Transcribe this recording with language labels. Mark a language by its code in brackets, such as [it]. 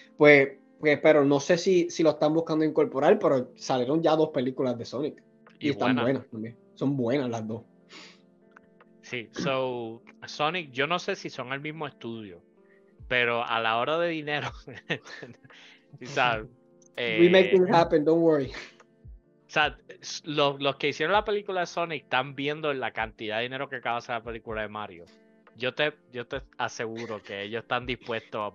[es] Pues pero no sé si lo están buscando incorporar, pero salieron ya dos películas de Sonic. Y están buenas también. Son buenas las dos. Sí, so Sonic, yo no sé si son el mismo estudio, pero a la hora de dinero. [en] We make things happen, don't worry. [es] O sea, los que hicieron la película de Sonic están viendo la cantidad de dinero que acaba de hacer la película de Mario. Yo te aseguro que ellos están dispuestos.